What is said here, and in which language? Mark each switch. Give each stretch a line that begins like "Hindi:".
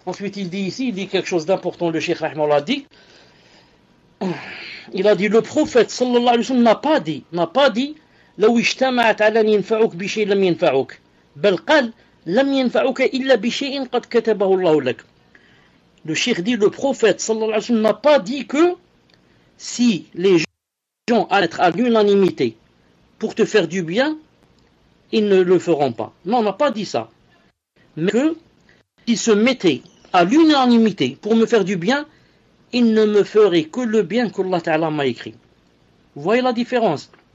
French: Ensuite, il dit quelque chose d'important, le Cheikh Rahman l'a dit. Il a dit, le prophète, sallallahu alayhi wa sallam, n'a pas dit,
Arabic: « لو اجتمعت على أن ينفعوك بشيء لم ينفعوك » بل قال لم ينفعك إلا بشيء قد كتبه الله لك.
French: Le Cheikh dit, le prophète sallallahu alayhi wa sallam n'a pas dit que si les gens allaient être à l'unanimité pour te faire du bien, ils ne le feront pas. Non, on n'a pas dit ça. Mais que s'ils se mettaient à l'unanimité pour me faire du bien, ils ne me feraient que le bien que Allah Ta'ala m'a écrit. Vous voyez la différence?